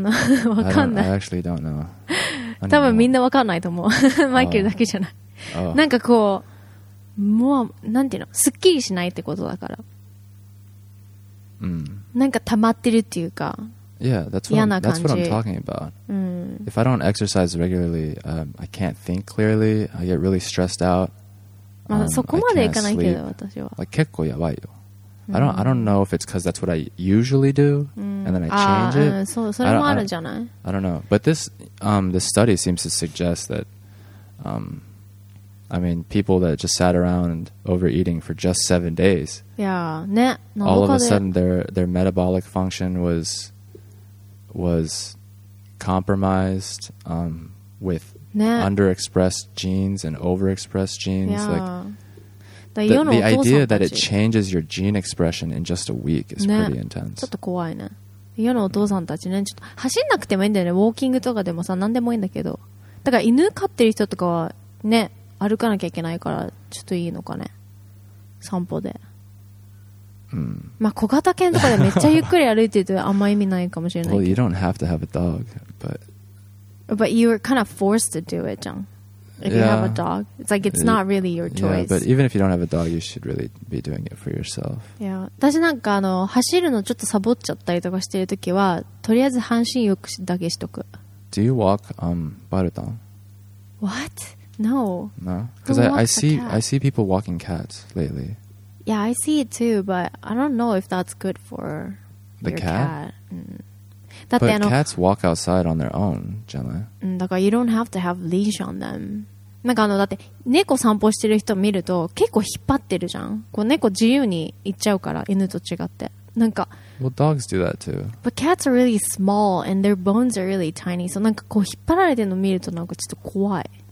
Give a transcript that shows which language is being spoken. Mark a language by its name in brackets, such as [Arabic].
[English] I don't know. [Japanese] わかんない。 [English] I actually don't know. [Japanese] 多分みんなわかんないと思う。マイケルだけじゃない。なんかこう、もわ、なんていうの?すっきりしないってことだから。なんか溜まってるっていうか [English] Yeah, that's what I'm talking about. If I don't exercise regularly, I can't think clearly. I get really stressed out. [Japanese] まあそこまでいかないけど私は Like 結構やばいよ。 [English] I don't know if it's because that's what I usually do, and then I change it. [Japanese] そう、それもあるじゃない? [English] I don't know. But this, the study seems to suggest that, I mean, people that just sat around overeating for just 7 days. Yeah, ね。 All of a sudden, their metabolic function was compromised with underexpressed genes and overexpressed genes. Yeah. Like, the idea that it changes your gene expression in just a week is pretty intense. [Japanese] ちょっと怖いね。世のお父さんたちね、ちょっと走んなくてもいいんだよね。ウォーキングとかでもさ、なんでもいいんだけど。だから犬飼ってる人とかはね、歩かなきゃいけないからちょっといいのかね、散歩で。 Mm. まあ小型犬とかでめっちゃゆっくり歩いてるとあんま意味ないかもしれないけど。 [English] Well, you don't have to have a dog, but. But you were kind of forced to do it, John. If you have a dog, it's like it's not really your choice. Yeah, but even if you don't have a dog, you should really be doing it for yourself. [Japanese] Yeah, 私なんかあの走るのちょっとサボっちゃったりとかしてるときはとりあえず半身浴だけしとく。 [English] Do you walk Barutan? What? No. No. Because I see people walking cats lately. Yeah, I see it too, but I don't know if that's good for the cat. But cats walk outside on their own, generally. [Japanese] だから [English] you don't have to have leash on them. [Japanese] なんかあのだって猫散歩してる人見ると結構引っ張ってるじゃん。こう猫自由に行っちゃうから犬と違って。なんか [English] Well, dogs do that too. But cats are really small and their bones are really tiny. [Japanese] So なんかこう引っ張られてるの見るとなんかちょっと怖い。